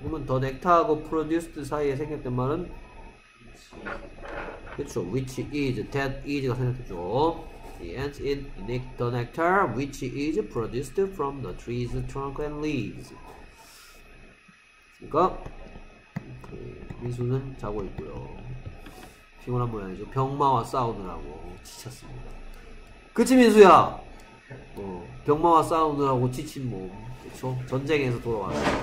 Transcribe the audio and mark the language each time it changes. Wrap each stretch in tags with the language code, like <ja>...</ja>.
<ko>그러면 더 넥타하고 프로듀스드 사이에 생겼던 말은? 그렇죠.</ko> <en>which is, that is</en> <ko>가 생겼죠.</ko> <en>The ants eat the nectar which is produced from the tree's trunk and leaves.</en> <ko>그러니까 미수는 자고 있고요. 피곤한 모양이죠. 병마와 싸우느라고 지쳤습니다. 그치 민수야? 어, 병마와 싸우느라고 지친 몸. 그쵸? 전쟁에서 돌아왔어.</ko>